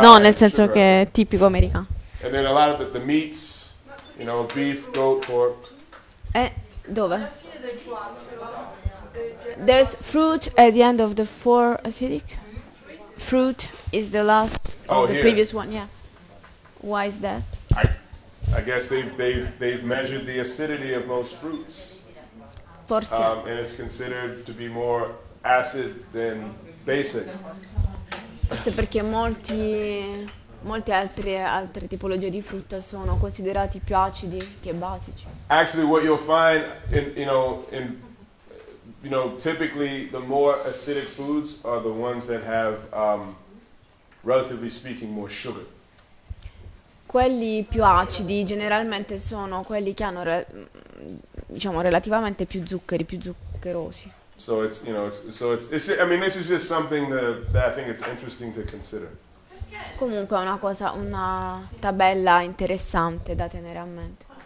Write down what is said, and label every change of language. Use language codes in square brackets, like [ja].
[it] No, nel senso sugar, che è tipico americano. [en] And then a lot of the meats, you know, beef, goat, pork. [it] Dove? [en] There's fruit at the end of the four acidic. Fruit is the last. Oh, the here. Previous one, yeah. Why is that? I guess they've measured the acidity of most fruits. [it] Forse. [en] And it's considered to be more acid than basic. [it] Forse perché molti altre tipologie di frutta sono considerati più acidi che basici. [en] Actually, what you'll find in typically the more acidic foods are the ones that have relatively speaking more sugar. [it] Quelli più acidi generalmente sono quelli che hanno diciamo relativamente più zuccheri, più zuccherosi. [en] So it's, you know, it's I mean, this is just something that I think it's interesting to consider. [it] Comunque è una tabella interessante da tenere a mente.